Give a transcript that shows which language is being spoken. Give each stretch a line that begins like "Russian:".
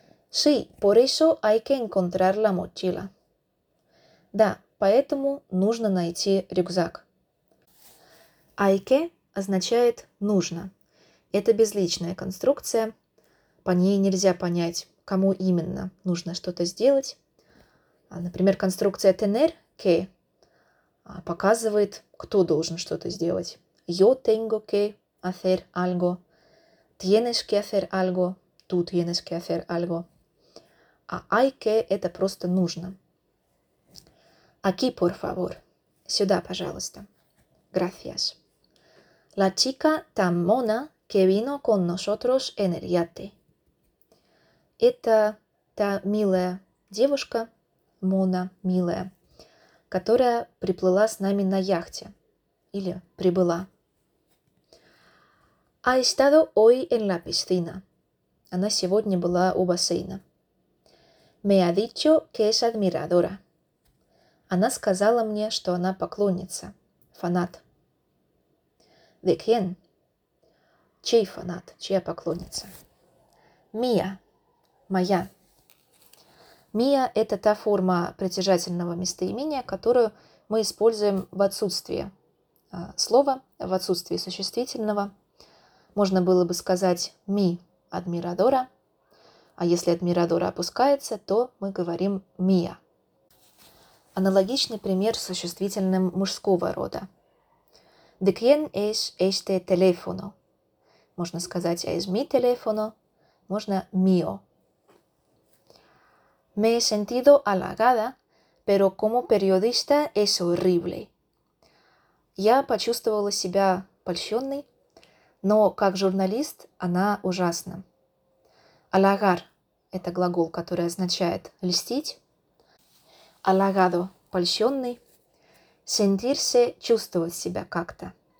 Spanish: Sí, por eso hay que encontrar la mochila.
Russian: Да, поэтому нужно найти рюкзак.
Spanish: Hay que
Russian: означает «нужно». Это безличная конструкция. По ней нельзя понять, кому именно нужно что-то сделать. Например, конструкция
Spanish: tener que
Russian: показывает, кто должен что-то сделать.
Spanish: Yo tengo que hacer algo. Tienes que hacer algo. Tú tienes que hacer algo.
Russian: А
Spanish: hay que
Russian: – это просто нужно.
Spanish: Aquí, por favor.
Russian: Сюда, пожалуйста.
Spanish: Gracias. La chica tan mona que vino con nosotros en el yate.
Russian: Это та милая девушка, Мона, милая, которая приплыла с нами на яхте или прибыла.
Spanish: Ha estado hoy en la piscina.
Russian: Она сегодня была у бассейна.
Spanish: Me ha dicho que es admiradora.
Russian: Она сказала мне, что она поклонница, фанат.
Spanish: ¿De quién?
Russian: Чей фанат, чья поклонница?
Spanish: Mía,
Russian: моя. Mía – это та форма притяжательного местоимения, которую мы используем в отсутствии слова, в отсутствии существительного. Можно было бы сказать
Spanish: «mi admiradora»,
Russian: а если «admiradora» опускается, то мы говорим «mía». Аналогичный пример с существительным мужского рода.
Spanish: ¿De quién es este teléfono?
Russian: Можно сказать
Spanish: «es mi teléfono»,
Russian: можно
Spanish: «mío». Me he sentido halagada, pero como periodista es horrible.
Russian: Я почувствовала себя польщенной, но как журналист она ужасна. Halagar – это глагол, который означает льстить. Halagado – польщенный. Sentirse – чувствовать себя как-то.